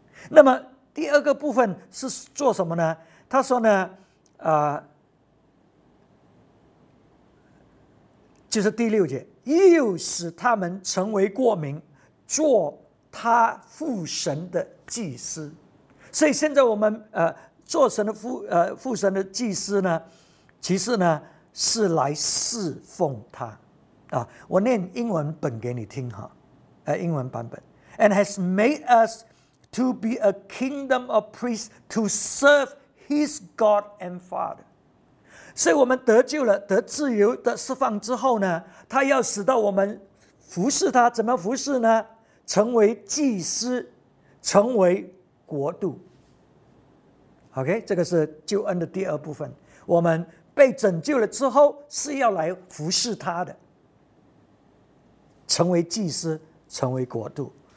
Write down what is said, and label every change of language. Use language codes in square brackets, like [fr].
[zh] 那么第二个部分是做什么呢？他说呢，就是第六节，又使他们成为国民，做他父神的祭司。所以现在我们做神的父神的祭司呢，其实呢是来侍奉他。我念英文本给你听哈，英文版本。 [en] And has made us to be a kingdom of priests to serve his God and Father. [zh] 所以我们得救了，得自由的释放之后呢，他要使到我们服侍他，怎么服侍呢？成为祭司，成为国度。 OK， 这个是救恩的第二部分，我们被拯救了之后是要来服侍他的，成为祭司，成为国度。